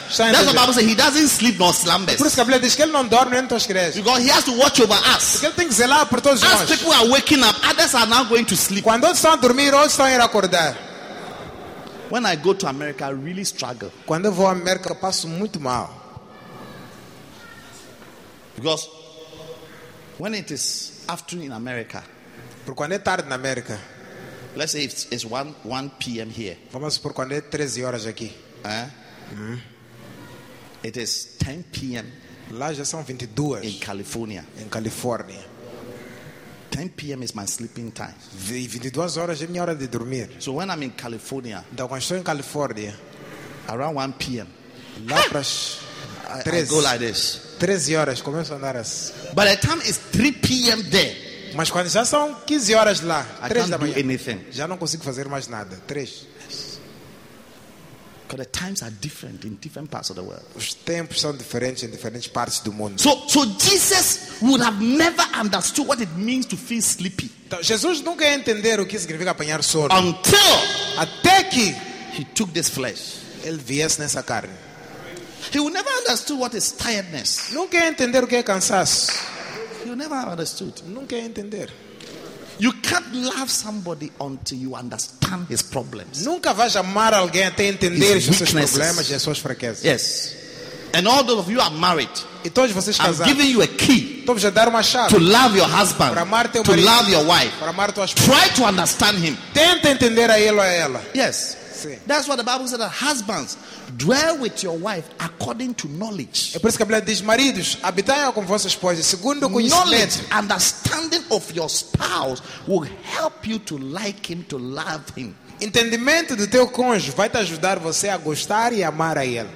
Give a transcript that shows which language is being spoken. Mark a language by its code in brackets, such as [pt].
[en] That's what the Bible says. He doesn't sleep nor slumbers. [pt] Por isso que a Bíblia diz que ele não dorme nem tosquerece. [en] Because he has to watch over us. [pt] Porque ele tem que zelar por todos nós. [en] As people are waking up, others are now going to sleep. [pt] Quando outros estão a dormir, outros estão a ir acordar. [en] When I go to America, I really struggle. [pt] Quando eu vou à América, eu passo muito mal. [en] Because when it is afternoon in America. [pt] Porque quando é tarde na América. [en] Let's say it's 1 p.m. here. [pt] Vamos supor quando é 13 horas aqui. [en] It is 10 p.m. [pt] Lá já são 22. [en] In California. [pt] Em Califórnia. [en] 10 p.m. is my sleeping time. [pt] 22 horas é minha hora de dormir. [en] So when I'm in California. [pt] Então quando estou em Califórnia. [en] Around 1 p.m. [pt] Lá para as 13. [en] I go like this. [pt] 13 horas começo a andar as. [en] By the time it's 3 p.m. there. [pt] Mas quando já são 15 horas lá, [en] I [pt] 3 da manhã, [en] anything. [pt] Já não consigo fazer mais nada. 3. [en] Yes. Because the times are different in different parts of the world. [pt] Os tempos são diferentes em diferentes partes do mundo. [en] So Jesus would have never understood what it means to feel sleepy. [pt] Então, Jesus nunca ia entender o que significa apanhar sono. [en] Until [pt] até que [en] he took this flesh. [pt] Ele viesse nessa carne. [en] He would never understood what is tiredness. [pt] Nunca ia entender o que é cansaço. [en] You never understood. [pt] Nunca entender. [en] You can't love somebody until you understand his problems. [pt] Nunca vais amar alguém até entender os seus problemas e as suas fraquezas. [en] Yes. And all of you are married. [pt] E todos vocês casados. [en] I'm giving you a key. [pt] Estou-vos a dar uma chave. [en] To love your husband. [pt] Para amar teu marido. [en] To love your wife. [pt] Para amar tua esposa. [en] Try to understand him. [pt] Tenta entender a ele ou a ela. [en] Yes. [pt] Sim. [en] That's what the Bible said, that husbands dwell with your wife according to knowledge. [pt] É por isso que a Bíblia diz, maridos, habitai com vossa esposa segundo o conhecimento. [en] Knowledge, understanding of your spouse will help you to like him, to love him. [pt] Entendimento do teu cônjuge vai te ajudar você a gostar e amar a ele.